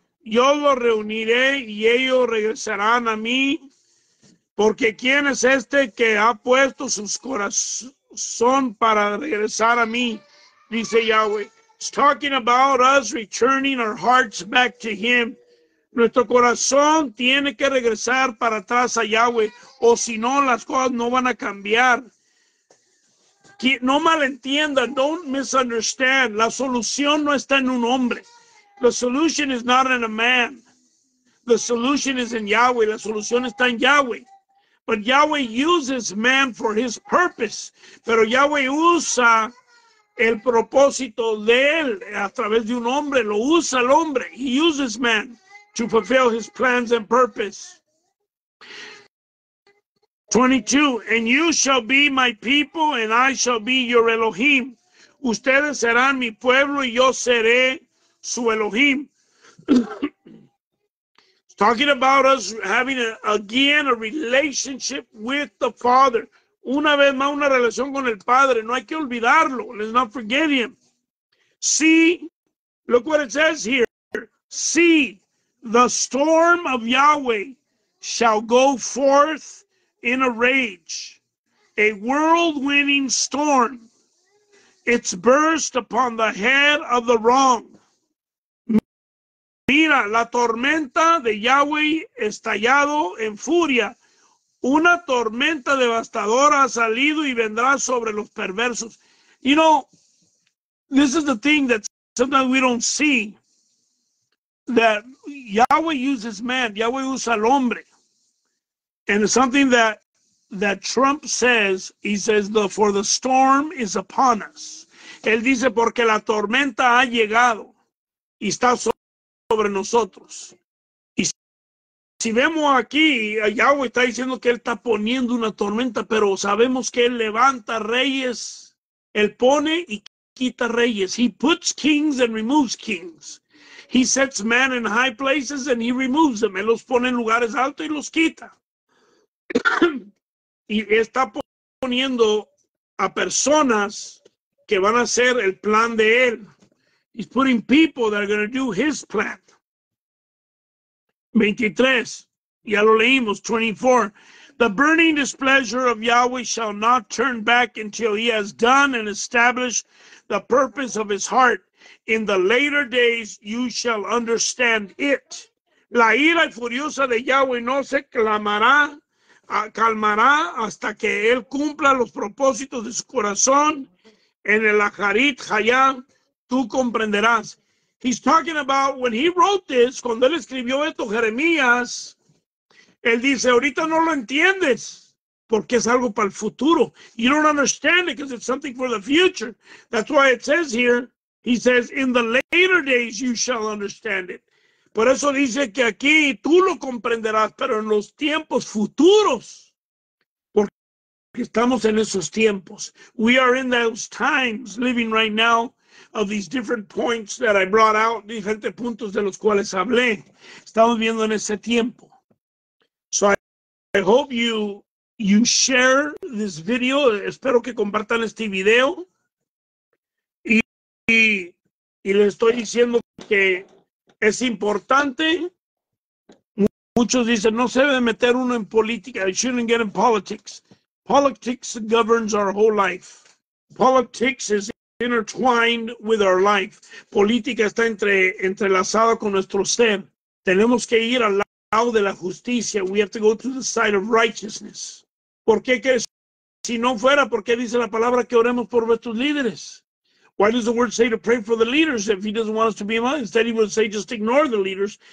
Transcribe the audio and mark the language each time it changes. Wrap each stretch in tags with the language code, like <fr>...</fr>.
<es>Yo los reuniré, y ellos regresarán a mí. Porque ¿quién es este que ha puesto sus corazón para regresar a mí? Dice Yahweh.</es> <en>It's talking about us returning our hearts back to him.</en> <es>Nuestro corazón tiene que regresar para atrás a Yahweh. O si no, las cosas no van a cambiar. No malentiendan.</es> <en>Don't misunderstand.</en> <es>La solución no está en un hombre.</es> <en>The solution is not in a man. The solution is in Yahweh.</en> <es>La solución está en Yahweh.</es> <en>But Yahweh uses man for his purpose.</en> <es>Pero Yahweh usa el propósito de él a través de un hombre. Lo usa el hombre.</es> <en>He uses man to fulfill his plans and purpose. 22. And you shall be my people, and I shall be your Elohim.</en> <es>Ustedes serán mi pueblo, y yo seré su Elohim.</es> <en>Talking about us having a relationship with the Father.</en> <es>Una vez más, una relación con el Padre. No hay que olvidarlo.</es> <en>Let's not forget him. See, look what it says here. See, the storm of Yahweh shall go forth in a rage, a whirlwinding storm. It's burst upon the head of the wrong.</en> <es>Mira, la tormenta de Yahweh estallado en furia. Una tormenta devastadora ha salido y vendrá sobre los perversos.</es> <en>You know, this is the thing that sometimes we don't see. That Yahweh uses man.</en> <es>Yahweh usa al hombre.</es> <en>And it's something that Trump says. He says, for the storm is upon us.</en> <es>Él dice, porque la tormenta ha llegado y está sobre nosotros. Y si vemos aquí, Yahweh está diciendo que él está poniendo una tormenta, pero sabemos que él levanta reyes, él pone y quita reyes.</es> <en>He puts kings and removes kings. He sets men in high places and he removes them.</en> <es>Él los pone en lugares altos y los quita. Y está poniendo a personas que van a hacer el plan de él.</es> <en>He's putting people that are going to do his plan. 23,</en> <es>ya lo leímos,</es> <en>24. The burning displeasure of Yahweh shall not turn back until he has done and established the purpose of his heart. In the later days, you shall understand it.</en> <es>La ira furiosa de Yahweh no se calmará hasta que él cumpla los propósitos de su corazón en el Aharit Hayam. Tú comprenderás.</es> <en>He's talking about when he wrote this,</en> <es>cuando él escribió esto, Jeremías, él dice, ahorita no lo entiendes, porque es algo para el futuro.</es> <en>You don't understand it because it's something for the future. That's why it says here, he says, in the later days you shall understand it.</en> <es>Por eso dice que aquí tú lo comprenderás, pero en los tiempos futuros, porque estamos en esos tiempos.</es> <en>We are in those times living right now. Of these different points that I brought out,</en> <es>diferentes puntos de los cuales hablé, estamos viendo en ese tiempo.</es> <en>So I hope you share this video.</en> <es>Espero que compartan este video. Y les estoy diciendo que es importante Muchos dicen, no se debe meter uno en política.</es> <en>You shouldn't get in politics. Politics governs our whole life. Politics is intertwined with our life.</en> <es>Política está entrelazada con nuestro ser. Tenemos que ir al lado de la justicia.</es> <en>We have to go to the side of righteousness.</en> <es>¿Por qué crees? Si no fuera, ¿por qué dice la palabra que oremos por nuestros líderes?</es> <en>Why does the word say to pray for the leaders if he doesn't want us to be among? Instead, he would say, just ignore the leaders.</en>